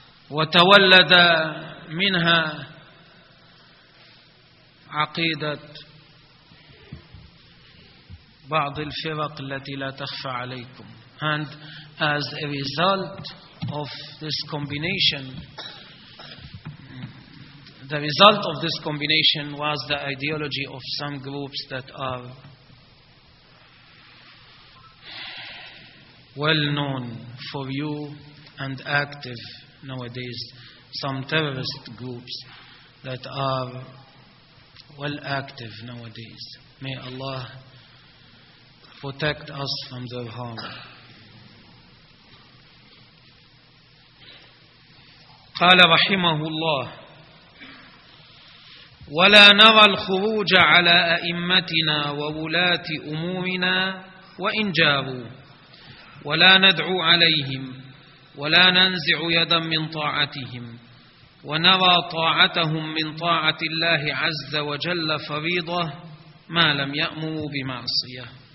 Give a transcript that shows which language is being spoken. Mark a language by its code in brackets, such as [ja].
[ar] وتولد منها عقيدة بعض الفرق التي لا تخفى عليكم. [en] And as a result of this combination, the result of this combination was the ideology of some groups that are well known for you and active nowadays, some terrorist groups that are well active nowadays. May Allah protect us from their harm. [ar] قال رحمه الله ولا نرى الخروج على أئمتنا وولاة أمورنا وإن جابوا ولا ندعو عليهم ولا ننزع يدا من طاعتهم ونرى طاعتهم من طاعة الله عز وجل فريضة ما لم يأمروا بمعصية.